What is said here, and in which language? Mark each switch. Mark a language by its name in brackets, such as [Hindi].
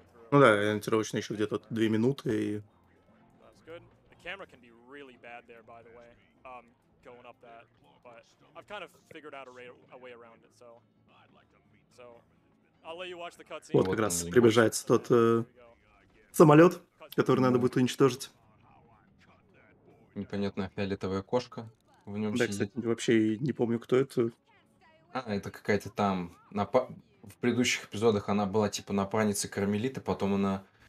[Russian] Ну да, ориентировочно еще где-то 2 минуты и... [English] Camera can be really bad there, by the way, going up that, but I've kind of figured out a way around it, so I'll let you watch the cutscene. [Russian] Вот как раз приближается тот самолет, который надо будет уничтожить. Непонятная фиолетовая кошка в нем сидит. Да, кстати, вообще не помню, кто это. А, это какая-то там, в предыдущих эпизодах она была типа напарница Кармелиты, потом она...